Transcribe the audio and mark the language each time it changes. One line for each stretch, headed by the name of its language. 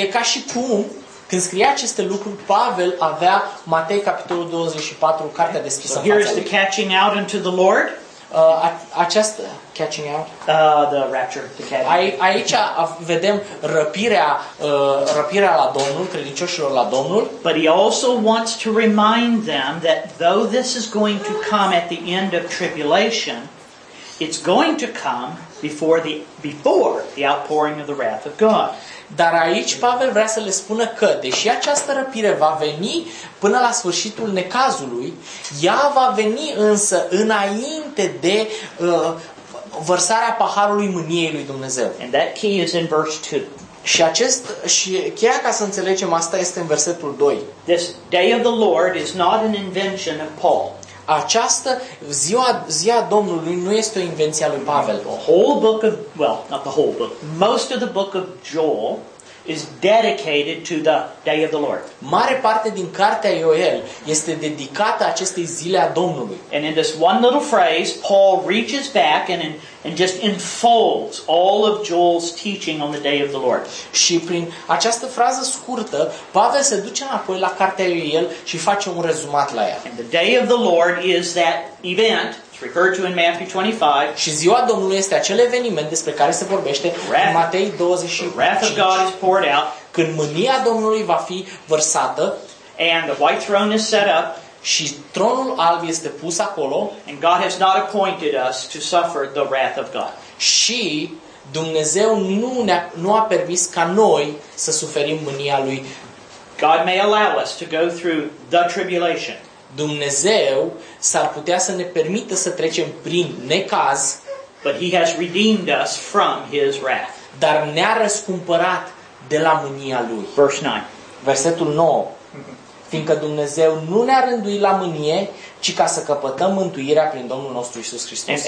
Romanian: E ca și cum, când scrie aceste lucruri, Pavel avea Matei capitolul 24, cartea deschisă.
English: So here is the catching out unto the Lord.
Romanian: Această
English: catching out. The rapture.
Romanian: Aici vedem răpirea la Domnul, credincioșilor la Domnul.
English: But he also wants to remind them that though this is going to come at the end of tribulation, it's going to come before the outpouring of the wrath of God.
Romanian: Dar aici Pavel vrea să le spună că deși această răpire va veni până la sfârșitul necazului, ea va veni însă înainte de vărsarea paharului mâniei lui Dumnezeu.
English: And that key is in verse 2.
Romanian: Și cheia ca să înțelegem asta este în versetul 2.
English: This day of the Lord is not an invention of Paul.
Romanian: Această ziua Domnului nu este o invenție a lui Pavel.
English: The whole book of, well, not the whole book, most of the book of Joel is dedicated to the day of the Lord.
Romanian: Mare parte din cartea Ioel este dedicată acestei zile a Domnului.
English: And in this one little phrase, Paul reaches back and just enfolds all of Joel's teaching on the day of the Lord.
Romanian: Și prin această frază scurtă, Pavel se duce înapoi la cartea Ioel și face un rezumat la ea.
English: And the day of the Lord is that event referred to in Matthew 25.
Romanian: Și ziua Domnului este acel eveniment despre care se vorbește în Matei 25.
English: Wrath of God is poured out.
Romanian: Când mânia Domnului va fi vărsată.
English: And the white throne is set up.
Romanian: Și tronul alb este pus acolo.
English: And God has not appointed us to suffer the wrath of God.
Romanian: Și Dumnezeu nu a permis ca noi să suferim mânia lui.
English: God may allow us to go through the tribulation.
Romanian: Dumnezeu s-ar putea să ne permită să trecem prin necaz,
English: but he has redeemed us from his wrath.
Romanian: Dar ne-a răscumpărat de la mânia lui.
English: Verse 9.
Romanian: Versetul 9. Fiindcă Dumnezeu nu ne-a rânduit la mânie, ci ca să căpătăm mântuirea prin Domnul nostru Iisus Hristos.